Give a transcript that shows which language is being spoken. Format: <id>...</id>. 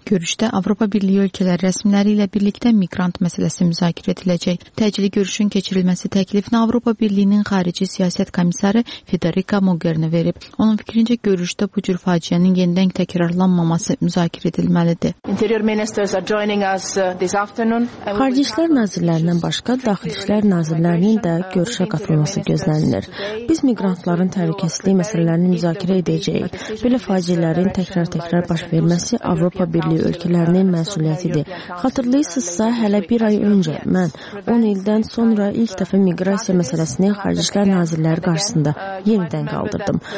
<az>Görüşdə Avropa Birliyi ölkələri rəsmiləri ilə birlikdə miqrant məsələsi müzakirə ediləcək. Təcili görüşün keçirilməsi təklifini Avropa Birliyinin Xarici Siyasət Komissarı Federica Mogherini verib. Onun fikrincə, görüşdə bu cür faciənin yenidən təkrarlanmaması müzakirə edilmelidir.</az> <en>Interior ministers are joining us this afternoon.</en> <az>Xarici İşlər Nazirlərindən başqa Daxili İşlər Nazirlərinin də görüşə qatılması gözlənilir. Biz miqrantların təhlükəsizliyi məsələlərini müzakirə edəcəyik. Belə faciələrin təkrar-təkrar baş verməsi Avropa Birliği ölkələrinin məsuliyyətidir. Xatırlayırsınızsa, hələ bir ay öncə mən 10 ildən sonra ilk dəfə miqrasiya məsələsini Xarici İşlər Nazirləri qarşısında yenidən qaldırdım.</az>